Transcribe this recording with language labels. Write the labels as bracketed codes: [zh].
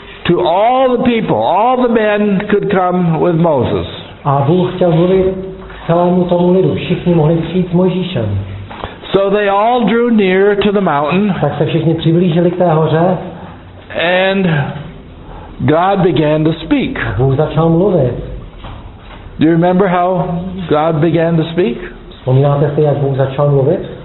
[en] to all the people, all the men could come with Moses. [cs] A Bůh chtěl mluvit celému tomu lidu, všichni mohli přijít s Mojžíšem. [en] So they all drew near to the mountain. [cs] Tak se všichni přiblížili k té hoře. [en] And God began to speak. [cs] Bůh začal mluvit. [en] Do you remember how God began to speak? [cs] Vzpomínáte si, jak Bůh začal mluvit?